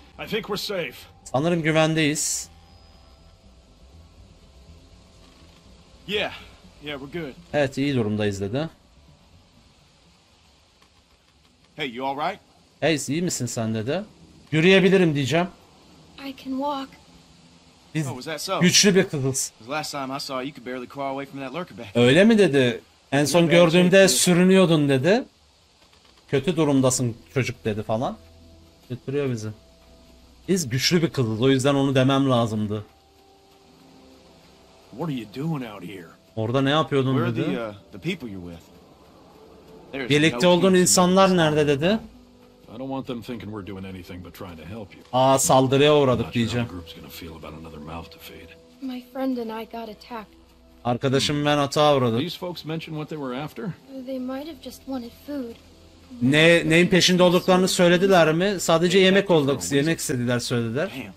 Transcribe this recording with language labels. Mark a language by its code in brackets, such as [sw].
[en] I think we're safe. [tr] Sanırım güvendeyiz. [en] Yeah, yeah, we're good. [tr] Evet, iyi durumdayız dedi. [en] Hey, you all right? [tr] Hey, iyi misin sen dedi. Yürüyebilirim diyeceğim. [en] I can walk. [tr] Biz güçlü bir kızız. [en] Last time I saw you could barely crawl away from that lurker bag. [tr] Öyle mi dedi? En son gördüğümde sürünüyordun dedi. Kötü durumdasın çocuk dedi falan. Götürüyor bizi. Biz güçlü bir kızız, o yüzden onu demem lazımdı. [en] What are you doing out here? [tr] Orada ne yapıyordun dedi. [en] The people you're with. [tr] Birlikte olduğun insanlar nerede dedi. [en] I don't want them thinking we're doing anything but trying to help you. [tr] Aa, saldırıya uğradık diyeceğim. [en] Group's gonna feel about another mouth to feed. My friend and I got attacked. [tr] Arkadaşım ben atağa uğradım. [en] These folks mentioned what they were after? They might have just wanted food. [tr] Neyin peşinde olduklarını söylediler mi? Sadece yemek olduk, yemek istediler söylediler.